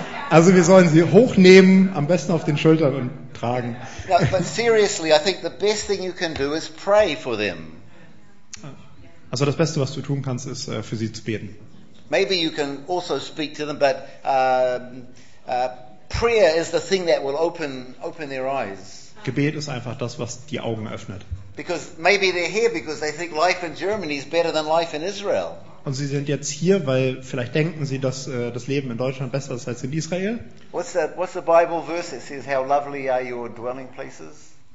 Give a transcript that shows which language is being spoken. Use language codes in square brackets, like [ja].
[de] Also wir sollen sie hochnehmen, am besten auf den Schultern und tragen. [en] No, but seriously, I think the best thing you can do is pray for them. [de] Also das Beste, was du tun kannst, ist für sie zu beten. [en] Maybe you can also speak to them, but prayer is the thing that will open their eyes. [de] Gebet ist einfach das, was die Augen öffnet. [en] Because maybe they're here because they think life in Germany is better than life in Israel. [de] Und sie sind jetzt hier, weil vielleicht denken sie, dass das Leben in Deutschland besser ist als in Israel. [en] What's the Bible verse that says how lovely are your dwelling places?